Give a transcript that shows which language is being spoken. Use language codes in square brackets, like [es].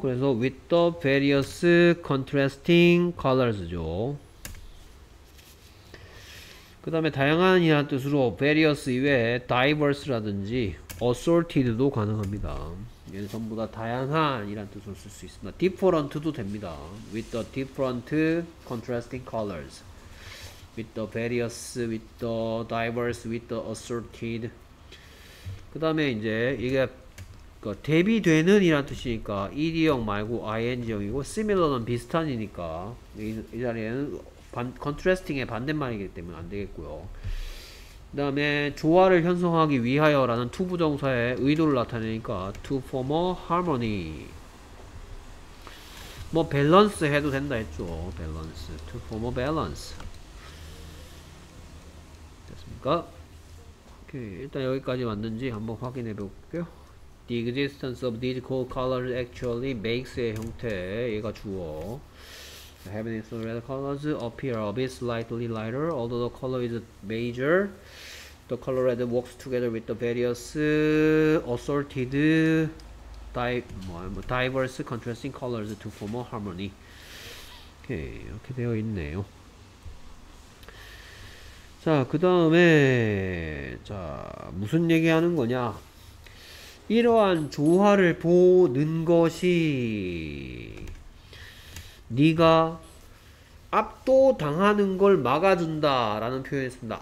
[en] 그래서 with the various contrasting colors죠. [ko] 그 다음에 다양한 이란 뜻으로 various 이외에 diverse라든지 assorted도 가능합니다. 얘는 전부 다 다양한 이란 뜻으로 쓸수 있습니다. different도 됩니다. [en] with the different contrasting colors. with the various, with the diverse, with the assorted. [ko] 그 다음에 이제 이게 그 대비되는 이란 뜻이니까 ed형 말고 ing형이고 similar는 비슷한이니까 이 자리에는 contrasting의 반대말이기 때문에 안 되겠고요. 그 다음에 조화를 형성하기 위하여라는 to 부정사의 의도를 나타내니까 [en] to form a harmony. [ko] 뭐 밸런스 해도 된다 했죠. [en] 밸런스. to form a balance. [ko] 됐습니까? 오케이. 일단 여기까지 맞는지 한번 확인해 볼게요. [en] The existence of these cold colors actually makes [ko] 의 형태 얘가 주어. [en] The heavens red colors appear a bit slightly lighter, although the color is major. The color red works together with the various assorted diverse contrasting colors to form a harmony. [ko] 오케이, 이렇게 되어 있네요. 자, 그 다음에 자 무슨 얘기하는 거냐? 이러한 조화를 보는 것이 네가 압도당하는 걸 막아준다라는 표현을 씁니다.